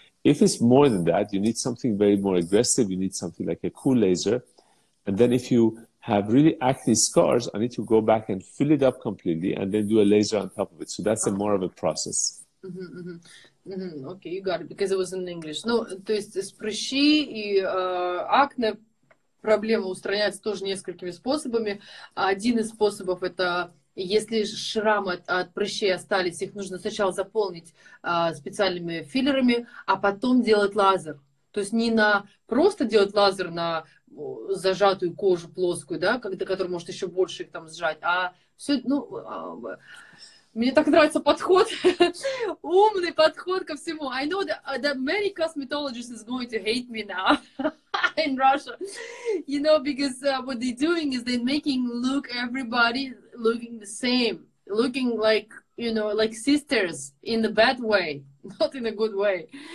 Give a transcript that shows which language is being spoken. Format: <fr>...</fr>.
<en>If it's more than that, you need something very more aggressive. You need something like a cool laser, and then if you have really acne scars, I need to go back and fill it up completely and then do a laser on top of it. So that's a more of a process. Okay, you got it, because it was in English.</en> <ru>Ну, то есть прыщи и акне, проблема устраняется тоже несколькими способами. Один из способов — это если шрамы от прыщей остались, их нужно сначала заполнить специальными филлерами, а потом делать лазер. То есть не на просто делать лазер на зажатую кожу плоскую, да, которая может еще больше их там сжать, а все, ну, мне так нравится подход, умный подход ко всему.</ru> <en>I know that many cosmetologists is going to hate me now in Russia, you know, because what they're doing is they're making look everybody looking the same, looking like, you know, like sisters in a bad way, not in a good way.</en>